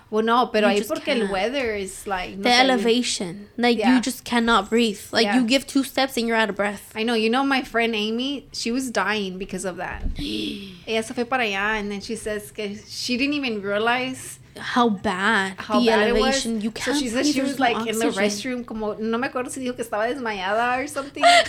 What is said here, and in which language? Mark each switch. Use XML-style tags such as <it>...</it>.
<en>Well, no,</en> <es>pero ahí porque el</es> <en>weather is like... The elevation. Like, you just cannot breathe. Like, you give two steps and you're out of breath. I know. You know my friend Amy? She was dying because of that.</en> <es>Ella se fue para allá.</es> <en>And then she says que she didn't even realize... How bad elevation. It was. You can't breathe. So she said she was like in the restroom.</en> <es>Como, no me acuerdo si dijo que estaba desmayada</es> <en>or something.</en>